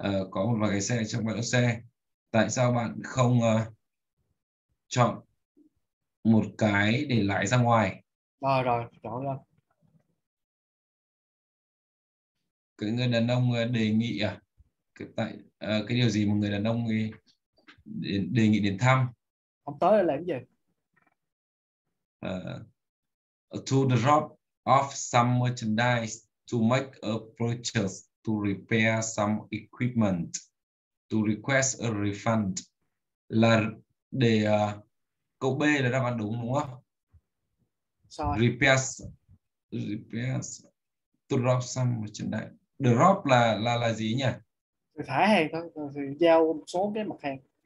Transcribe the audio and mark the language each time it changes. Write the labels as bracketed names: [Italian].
[Vietnamese] Có một vài cái xe trong bãi đỗ xe. Tại sao bạn không chọn một cái để lái ra ngoài? Rồi, chọn ra. Cái người đàn ông đề nghị à? Cái điều gì mà người đàn ông đề nghị đến thăm? Ông tới là làm gì? [English] To drop off some merchandise, to make a purchase, to repair some equipment, to request a refund. [Vietnamese] Là để câu B là đáp án đúng không? [English] repairs, repairs, drop some [Vietnamese] trên đây. Drop là gì nhỉ? Thải hàng thôi, giao một số cái mặt hàng.